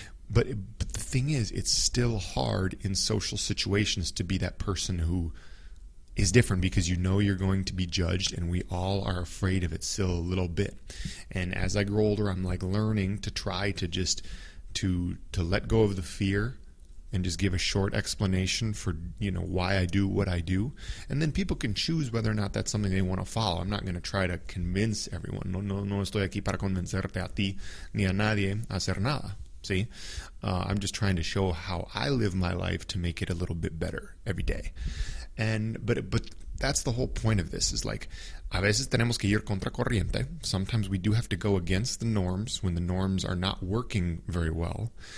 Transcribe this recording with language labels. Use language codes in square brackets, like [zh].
[en] But the thing is, it's still hard in social situations to be that person who is different, because you know you're going to be judged, and we all are afraid of it still a little bit. And as I grow older, I'm like learning to try to just to let go of the fear and just give a short explanation for, you know, why I do what I do. And then people can choose whether or not that's something they want to follow. I'm not going to try to convince everyone. [es] No estoy aquí para convencerte a ti ni a nadie a hacer nada. [en] See? I'm just trying to show how I live my life to make it a little bit better every day. But that's the whole point of this, is like, a veces tenemos que ir contracorriente. Sometimes we do have to go against the norms when the norms are not working very well.